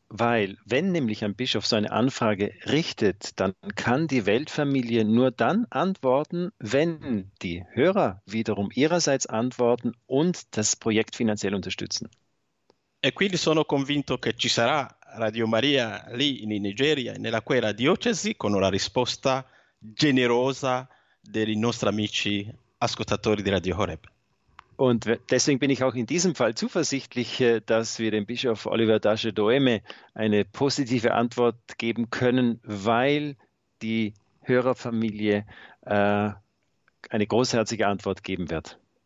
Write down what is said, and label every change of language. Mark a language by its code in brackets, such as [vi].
[de] Weil, wenn nämlich ein Bischof so eine Anfrage richtet, dann kann die Weltfamilie nur dann antworten, wenn die Hörer wiederum ihrerseits antworten und das Projekt finanziell unterstützen. [it] E quindi sono convinto che ci sarà Radio Maria lì in Nigeria, nella quella diocesi, con una risposta generosa dei nostri amici ascoltatori di Radio Horeb. [de] Und deswegen bin ich auch in diesem Fall zuversichtlich, dass wir dem Bischof Oliver Dasche-Doeme eine positive Antwort geben können, weil die Hörerfamilie eine großherzige Antwort geben wird.